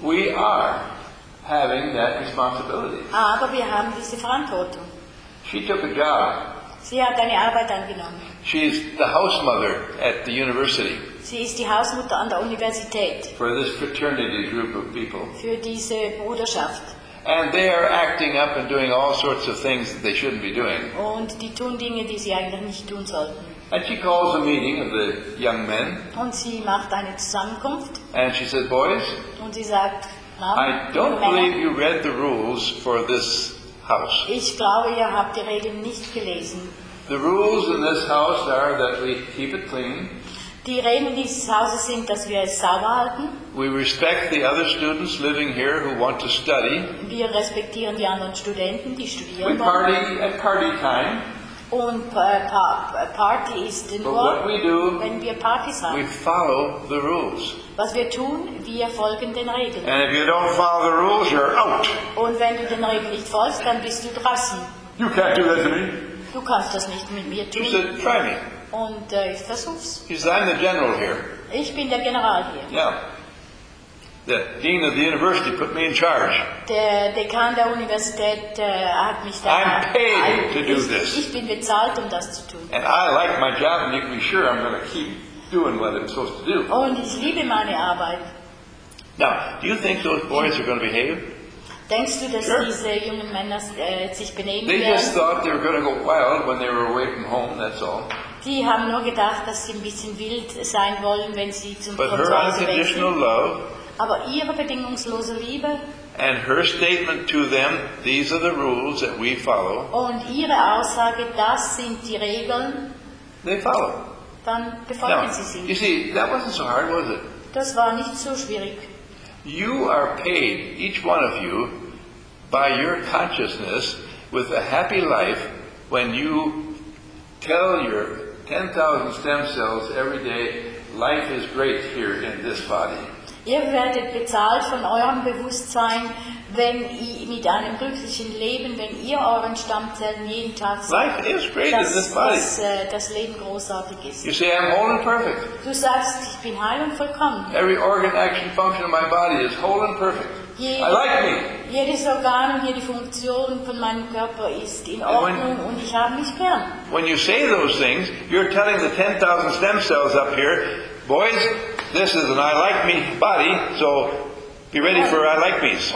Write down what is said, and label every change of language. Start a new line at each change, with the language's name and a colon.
English: We are having that responsibility.
German: Aber wir haben diese Verantwortung.
English: She took a job.
German: Sie hat eine Arbeit angenommen.
English: She is the house mother at the university.
German: Sie ist die Hausmutter an der Universität.
English: For this fraternity group of people.
German: Für diese Bruderschaft.
English: And they are acting up and doing all sorts of things that they shouldn't be doing.
German: Und die tun Dinge, die sie eigentlich nicht tun sollten.
English: And she calls a meeting of the young men.
German: Und sie macht eine Zusammenkunft.
English: And she says, boys,
German: und sie sagt,
English: I don't believe you read the rules for this house.
German: Ich glaube, ihr habt die Regeln nicht gelesen.
English: The rules in this house are that we keep it clean.
German: Die Regeln dieses Hauses sind, dass wir es sauber halten.
English: We respect the other students living here who want to study.
German: Wir respektieren die anderen Studenten, die studieren wollen.
English: We party at party time.
German: Und Party ist nur, wenn wir Partys haben.
English: We follow the rules.
German: Was wir tun, wir folgen den Regeln.
English: And if you don't follow the rules, you're out.
German: Und wenn du den Regeln nicht folgst, dann bist du draußen.
English: You can't do that to me.
German: Du kannst das nicht mit mir tun.
English: He said, try me.
German: Und ich versuch's.
English: He says, I'm the general here.
German: Ich bin der General hier.
English: Yeah. The dean of the university put me in charge.
German: Der Dekan der Universität hat mich da.
English: I'm paid to do this.
German: Ich bin bezahlt, um das zu tun.
English: And I like my job, and you can be sure I'm going to keep doing what I'm supposed to do.
German: Und ich liebe meine Arbeit.
English: Now, do you think those boys are going to behave?
German: Denkst du, dass sure. Diese jungen Männer sich benehmen
English: they
German: werden?
English: They just thought they were going to go wild when they were away from home. That's all.
German: Die haben nur gedacht, dass sie ein bisschen wild sein wollen, wenn sie zum
English: But her unconditional love.
German: Aber ihre bedingungslose Liebe.
English: And her statement to them, these are the rules that we follow.
German: Und ihre Aussage, das sind die Regeln.
English: They follow.
German: Dann befolgen
English: Now,
German: sie sie.
English: You see, that wasn't so hard, was it?
German: Das war nicht so schwierig.
English: You are paid, each one of you, by your consciousness with a happy life when you tell your 10,000 stem cells every day, life is great here in this body.
German: Ihr werdet bezahlt von eurem Bewusstsein, wenn ihr mit einem glücklichen Leben, wenn ihr euren Stammzellen jeden Tag seht, dass das Leben großartig ist.
English: You say, I'm whole and perfect.
German: Du sagst, ich bin heil und vollkommen.
English: Every organ, action, function of my body is whole and perfect. I like me.
German: Jedes Organ und jede Funktion von meinem Körper ist in Ordnung und ich habe mich gern.
English: When you say those things, you're telling the 10,000 stem cells up here, boys, this is an I like me body, so be ready for I like me's.